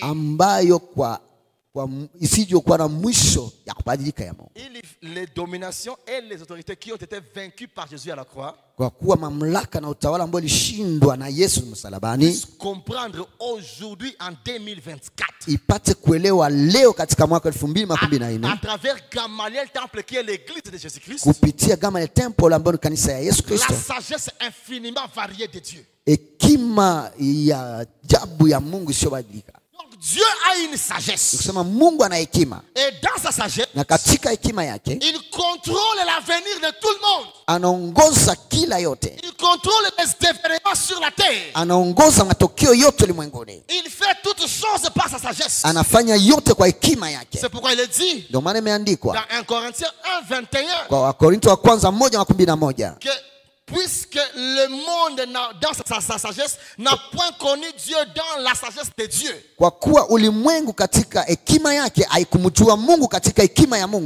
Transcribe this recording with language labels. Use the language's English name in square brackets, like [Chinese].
[Swahili] ambayo kwa isiyo kwa na mwisho ya kubadilika ya Mungu. [French] Ili les dominations et les autorités qui ont été vaincues par Jésus à la croix, [Swahili] kwa kuwa mamlaka na utawala ambao ulishindwa na Yesu msalabani, [French] comprendre aujourd'hui en 2024, [Swahili] ipate kuelewa leo katika mwaka 2024 [French] à travers Gamaliel temple qui est l'église de Jésus Christ, [Swahili] kupitia Gamaliel temple ambao ni kanisa ya Yesu Kristo, [French] la sagesse infiniment variée de Dieu, [Swahili] ekima ya jabu ya Mungu sio badilika. [French] Dieu a une sagesse. [Swahili] Mungu ana hekima. [French] Et dans sa sagesse, [Swahili] na katika hekima yake, [French] il contrôle l'avenir de tout le monde. [Swahili] Anaongoza kila yote. [French] Il contrôle les événements sur la terre. [Swahili] Anaongoza matokeo yote limwengoni. [French] Il fait toutes choses par sa sagesse. [Swahili] Anafanya yote kwa hekima yake. [French] C'est pourquoi il est dit. [Swahili] Ndio maana imeandikwa. [French] Dans 1 Corinthiens 1:21. [Swahili] Kwa Wakorintho wa kwanza 1:21. [French] Puisque le monde dans sa sagesse n'a point connu Dieu dans la sagesse de Dieu. [Swahili] Kwa kuwa ulimwengu katika hekima yake haikumjua Mungu katika hekima ya Mungu.